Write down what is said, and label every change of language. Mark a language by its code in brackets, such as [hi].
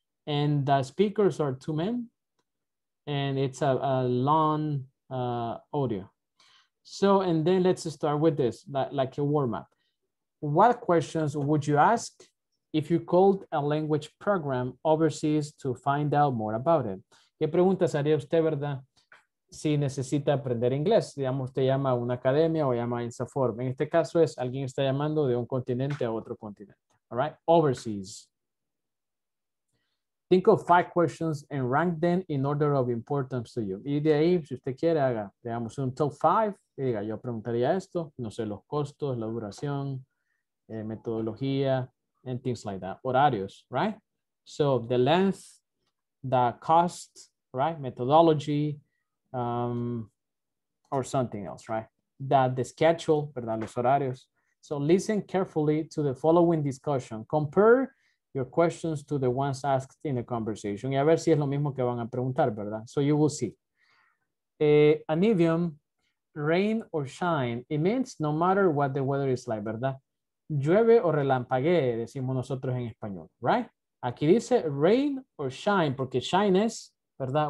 [en] And the speakers are two men. And it's a long audio. So, and then let's start with this, like a warm up. What questions would you ask if you called a language program overseas to find out more about it? [es] ¿Qué preguntas haría usted, verdad? Si necesita aprender inglés, digamos, usted llama a una academia o llama a Insaform. En este caso es alguien está llamando de un continente a otro continente. [en] All right, overseas. Think of 5 questions and rank them in order of importance to you. [es] Y de ahí, si usted quiere, haga, digamos, un top 5. Y diga, yo preguntaría esto. No sé, los costos, la duración, metodología, [en] and things like that. [es] Horarios, right? [en] So, the length, the cost, right? Methodology, or something else, right? The schedule, ¿verdad? [es] Los horarios. [en] So, listen carefully to the following discussion. Compare your questions to the ones asked in a conversation. [es] Y a ver si es lo mismo que van a preguntar, [en] ¿verdad? So you will see. An idiom, rain or shine, it means no matter what the weather is like, ¿verdad? [es] Llueve o relampaguee, decimos nosotros en español, right? Aquí dice rain or shine, porque shine es, ¿verdad?